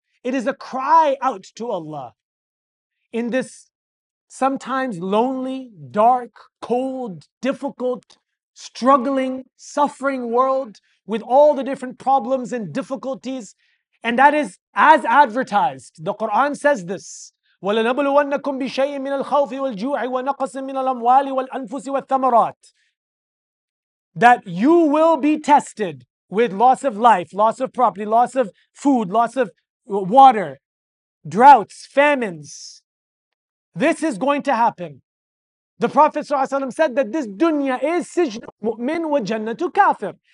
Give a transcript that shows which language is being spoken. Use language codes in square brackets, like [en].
[en] It is a cry out to Allah. In this sometimes lonely, dark, cold, difficult, struggling, suffering world with all the different problems and difficulties, and that is as advertised. The Quran says this, [ar] وَلَنَبْلُوَنَّكُمْ بِشَيْءٍ مِّنَ الْخَوْفِ وَالْجُوعِ وَنَقْصٍ مِّنَ الْأَمْوَالِ وَالْأَنفُسِ وَالثَّمَرَاتِ. [en] That you will be tested with loss of life, loss of property, loss of food, loss of water, droughts, famines. This is going to happen. The Prophet ﷺ said that this dunya is [ar] سِجْنُ مُؤْمِن وَجَنَّةُ كَافِرٍ.